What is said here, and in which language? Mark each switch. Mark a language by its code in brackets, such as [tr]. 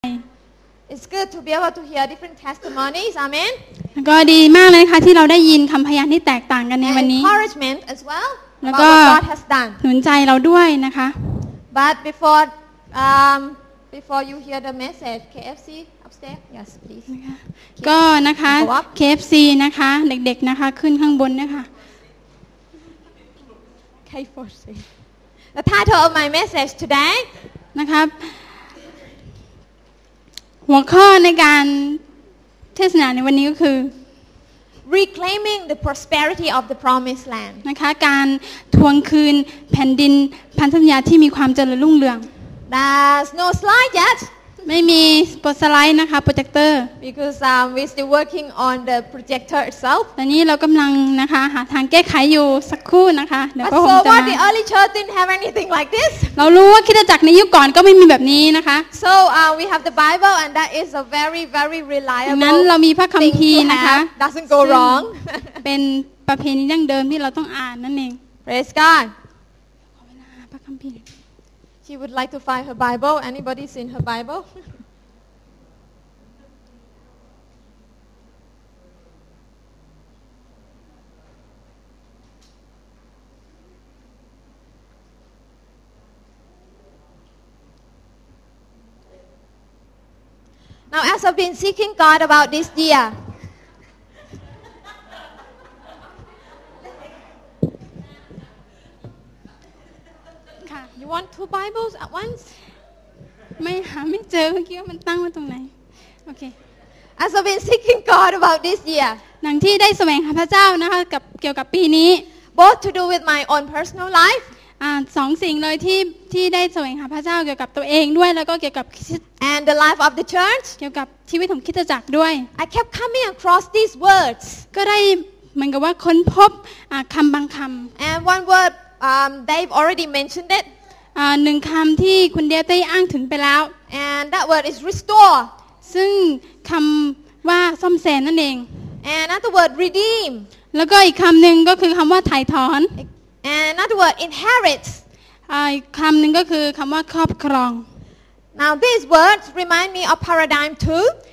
[en] It's good to be able to hear different testimonies. Amen. [th] ก็ดีมากเลยนะคะที่เราได้ยินคำพยานที่แตกต่างกันในวันนี้ [en] Encouragement as well. [th] แล้วก็หนุ นใจเราด้วยนะคะ [en] But before you hear the message, KFC upstairs. Yes, please. [th] ก็นะคะ KFC นะคะเด็กๆนะคะขึ้นข้างบนนะคะ [en] KFC. The title of my message today. [th] นะครับหัวข้อในการเทศนาในวันนี้ก็คือ [en] reclaiming the prosperity of the promised land [th] นะคะการทวงคืนแผ่นดินพันธสัญญาที่มีความเจริญรุ่งเรือง [en] There's no slide yet [th] ไม่มีสไลด์นะคะโปรเจคเตอร์ [en] because we still working on the projector itself [th] ตอนนี้เรากำลังนะคะหาทางแก้ไขอยู่สักครู่นะคะเดี๋ยวก็คงจะ [en] But so what the early church didn't have anything like this [th] เรารู้ว่าคริสตจักรในยุคก่อนก็ไม่มีแบบนี้นะคะ [en] So we have the Bible and that is a very very reliable [th] นั้นเรามีพระคัมภีร์นะคะ [en] doesn't go wrong [th] เป็นประเพณีดั้งเดิมที่เราต้องอ่านนั่นเอง [en] Praise God [th] ขอเวลาพระคัมภีร์ [en] She would like to find her Bible. Anybody seen her Bible? Now, as I've been seeking God about this year, You want two Bibles at once? [th] ไม่หาไม่เจอเมื่อกี้ว่ามันตั้งไว้ตรงไหนโอเค [en] As I've been seeking God about this year [th] หลังที่ได้แสวงหาพระเจ้านะคะกับเกี่ยวกับปีนี้ [en] Both to do with my own personal life [th] สองสิ่งเลยที่ได้แสวงหาพระเจ้าเกี่ยวกับตัวเองด้วยแล้วก็เกี่ยวกับ [en] And the life of the church [th] เกี่ยวกับชีวิตของคริสตจักรด้วย [en] I kept coming across these words [th] ก็ได้เหมือนกับว่าค้นพบคำบางคำ [en] And one word they've already mentioned it [th] หนึ่งคำที่คุณเดฟได้อ้างถึงไปแล้ว [en] and that word is restore [th] ซึ่งคำว่าซ่อมแซมนั่นเอง [en] and another word redeem [th] แล้วก็อีกคำหนึ่งก็คือคำว่าไถ่ถอน [en] and another word inherit [th] คำหนึ่งก็คือคำว่าครอบครอง [en] now these words remind me of paradigm too